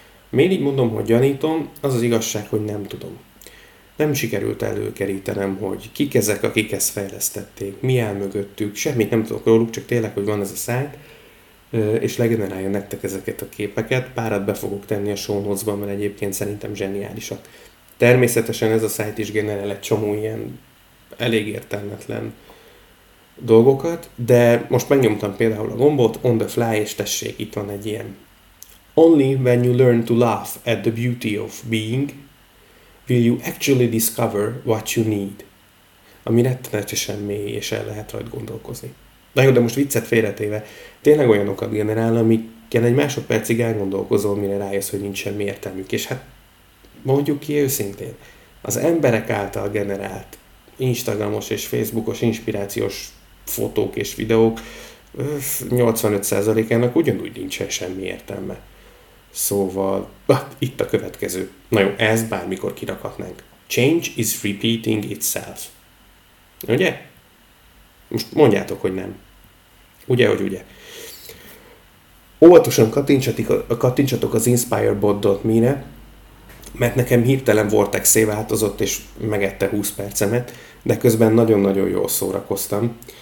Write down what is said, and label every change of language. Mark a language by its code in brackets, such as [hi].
[hu] Miért így mondom, hogy gyanítom, az az igazság, hogy nem tudom. Nem sikerült előkerítenem, hogy kik ezek, akik ezt fejlesztették, mi áll mögöttük, semmit nem tudok róluk, csak tényleg, hogy van ez a szájt, és legenerálja nektek ezeket a képeket. Párat be fogok tenni a show notes-ban, mert egyébként szerintem zseniálisak. Természetesen ez a szájt is generál egy csomó ilyen elég értelmetlen dolgokat, de most megnyomtam például a gombot, [en] on the fly, [hu] és tessék, itt van egy ilyen. [en] Only when you learn to laugh at the beauty of being, will you actually discover what you need? [hu] Ami rettenetesen mély, és el lehet rajt gondolkozni. Na jó, de most viccet félretéve, tényleg olyanokat generál, amikkel egy másodpercig elgondolkozol, mire rájössz, hogy nincs semmi értelmük. És hát, mondjuk ki őszintén, az emberek által generált Instagramos és Facebookos inspirációs fotók és videók 85%-ának ugyanúgy nincsen semmi értelme. Szóval, itt a következő. Na jó, ezt bármikor kirakhatnánk. [en] Change is repeating itself. [hu] Ugye? Most mondjátok, hogy nem. Ugye, hogy ugye? Óvatosan kattintsatok az inspirebot.me-re, mert nekem hirtelen vortexé változott, és megette 20 percemet, de közben nagyon-nagyon jól szórakoztam.